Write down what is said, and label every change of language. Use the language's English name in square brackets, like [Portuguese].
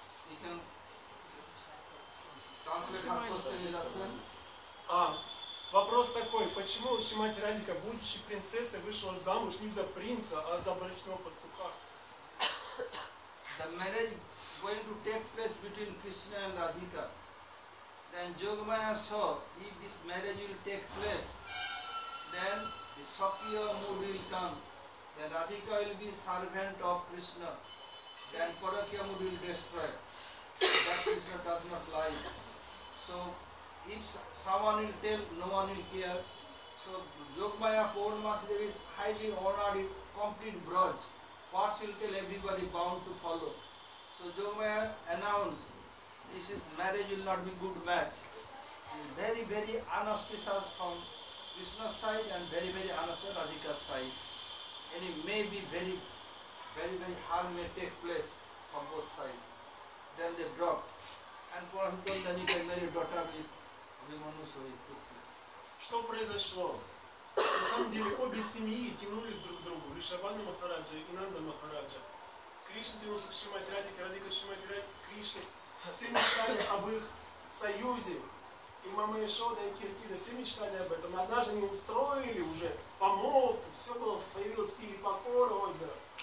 [English] You can translate her question in a sense. [Russian] Вопрос такой, почему лучше мать Радика, будучи принцессой, вышла замуж не за принца, а за брачного пастуха? [English] The marriage going to take place between Krishna and Radhika. Then Yogamaya saw, if this marriage will take place, then the Sakya mood will come. Then Radhika will be servant of Krishna. Then Parakya mood will destroy. That Krishna does not lie. So if someone will tell, no one will hear. So Yogmaya Purnamasadevi is highly honored in complete Braj. First will tell everybody bound to follow. So Yogmaya announced, this is marriage will not be good match. It's very, very inauspicious from Krishna's side and very, very inauspicious Radhika's side. And it may be very, very, very harm may take place from both sides. Then they broke. And for him, then you can marry daughter with Abhimanyu, so it took place. [Russian] Что произошло? На самом деле, обе семьи тянулись друг к другу, Ришабана Махараджа и Нанда Махараджа. Кришна тянулся к Шримати Радике, Радика к Шримати Кришне. Все мечтали об их союзе. И мама Ишода, и Киртида, все мечтали об этом. Однажды они устроили уже помолвку, все было, появилось Пилипакора озеро.